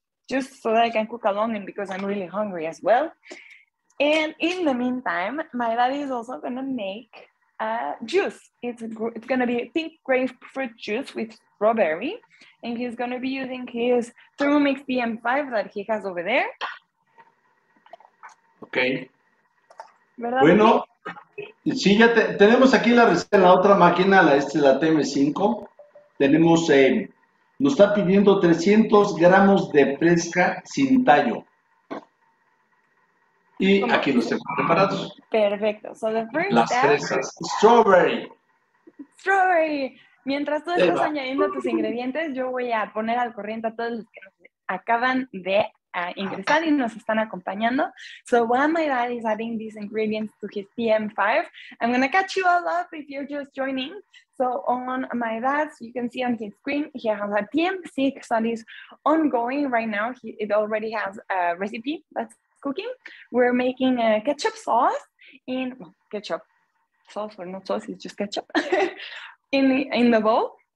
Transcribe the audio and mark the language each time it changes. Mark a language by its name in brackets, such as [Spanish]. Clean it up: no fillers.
[English] Just so that I can cook along and because I'm really hungry as well. And in the meantime, my daddy is also going to make juice. It's going to be pink grapefruit juice with strawberry. And he's going to be using his Thermomix PM5 that he has over there. [Spanish] Okay. ¿Verdad? Bueno, sí, ya tenemos aquí la receta en la otra máquina, la TM5. Tenemos, nos está pidiendo 300 gramos de fresca sin tallo. Y aquí los tengo preparados. Perfecto. [English] So the first [Spanish] las fresas. [English] Strawberry. Strawberry. [Spanish] Mientras tú estás añadiendo tus ingredientes, yo voy a poner al corriente a todos los que acaban de ingresar y nos están acompañando. [English] So while my dad is adding these ingredients to his PM5, I'm going to catch you all up if you're just joining. So on my dad's, you can see on his screen, he has a PM6 that is ongoing right now. It already has a recipe that's cooking. We're making a ketchup sauce in ketchup sauce or not sauce, it's just ketchup in the bowl.